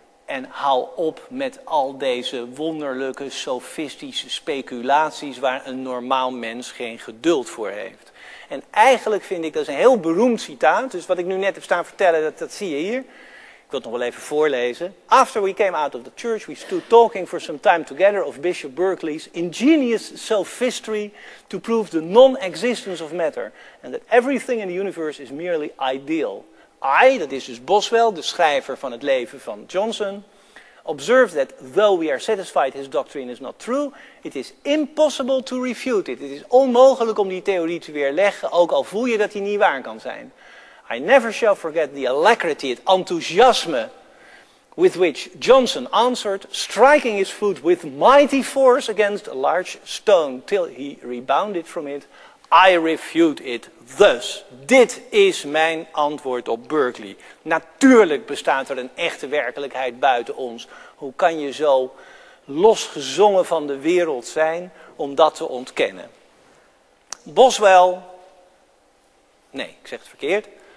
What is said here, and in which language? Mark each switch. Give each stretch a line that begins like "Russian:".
Dutch: En hou op met al deze wonderlijke, sofistische speculaties waar een normaal mens geen geduld voor heeft. En eigenlijk vind ik, dat is een heel beroemd citaat, dus wat ik nu net heb staan vertellen, dat zie je hier. Ik wil het nog wel even voorlezen.
English: After we came out of the church, we stood talking for some time together of Bishop Berkeley's ingenious sophistry to prove the non-existence of matter. And that everything in the universe is merely ideal.
Dutch: I, dat is dus Boswell, de schrijver van het leven van Johnson,
English: observed that though we are satisfied his doctrine is not true, it is impossible to refute it.
Dutch: Het is onmogelijk om die theorie te weerleggen, ook al voel je dat die niet waar kan zijn.
English: I never shall forget the alacrity,
Dutch: het enthousiasme,
English: with which Johnson answered, striking his foot with mighty force against a large stone, till he rebounded from it. I refute it thus.
Dutch: Dit is mijn antwoord op Berkeley. Natuurlijk bestaat er een echte werkelijkheid buiten ons. Hoe kan je zo losgezongen van de wereld zijn om dat te ontkennen? Boswell. Nee, ik zeg het verkeerd.